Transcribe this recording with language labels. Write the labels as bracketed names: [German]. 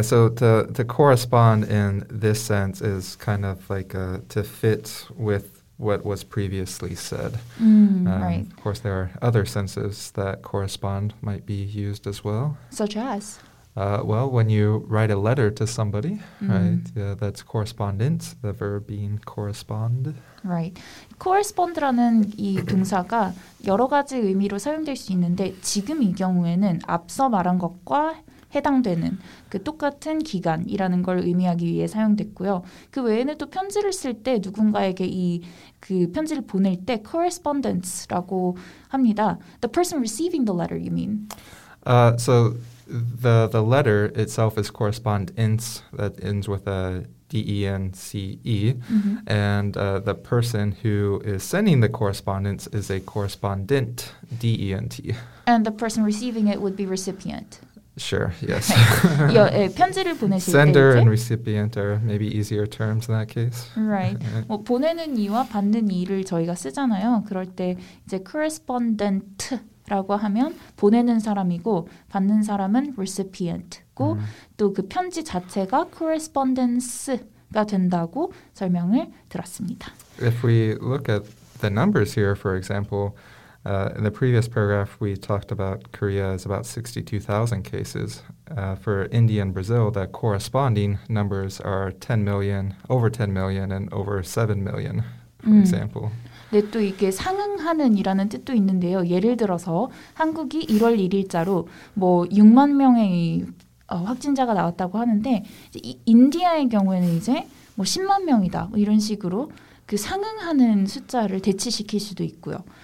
[English] So to correspond in this sense is kind of like to fit with what was previously said. Right. Of course, there are other senses that correspond might be used as well. Such as? Well, when you write a letter to somebody, right? Yeah, that's correspondent, the verb being correspond. Right. [Korean] Correspond라는 이 동사가 여러 가지 의미로 사용될 수 있는데 지금 이 경우에는 앞서 말한 것과 해당되는 그 똑같은 기간이라는 걸 의미하기 위해 사용됐고요. 그 외에는 또 편지를 쓸 때 누군가에게 이 그 편지를 보낼 때 correspondence라고 합니다. [English] The person receiving the letter, you mean? So the letter itself is correspondence that ends with a D-E-N-C-E, mm-hmm. and the person who is sending the correspondence is a correspondent, D-E-N-T. And the person receiving it would be recipient. Sure, yes. [Korean] 편지를 보내실 때 [English] Sender 이제? And recipient are maybe easier terms in that case. Right. [Korean] 뭐 보내는 이와 받는 이를 저희가 쓰잖아요. 그럴 때 이제 correspondent라고 하면 보내는 사람이고 받는 사람은 recipient. 또 그 편지 자체가 correspondence가 된다고 설명을 들었습니다. [English] If we look at the numbers here, for example, in the previous paragraph we talked about Korea is about 62,000 cases. For India and Brazil, the corresponding numbers are 10 million, over 10 million, and over 7 million, for example. [Korean] 네, 또 이게 상응하는이라는 뜻도 있는데요. 예를 들어서 한국이 1월 1일자로 뭐 6만 명의 확진자가 나왔다고 하는데 이제 인디아의 경우에는 이제 뭐 10만 명이다 이런 식으로 그 상응하는 숫자를 대치시킬 수도 있고요.